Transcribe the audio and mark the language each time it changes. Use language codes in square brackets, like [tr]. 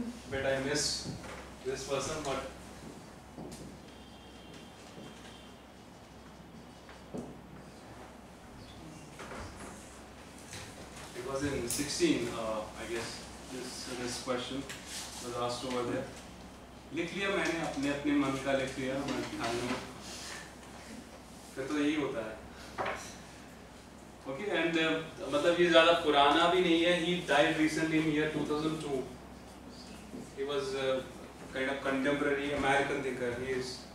[en] But I miss this person, but. Was in 16, I guess this question was asked over there. [hi] लिख लिया मैंने अपने अपने मन का लिख लिया मैं ध्यान में. फिर तो यही होता है. [en] Okay and [hi] मतलब ये ज़्यादा पुराना भी नहीं है. [en] He died recently in year 2002. He was kind of contemporary American thinker. He is.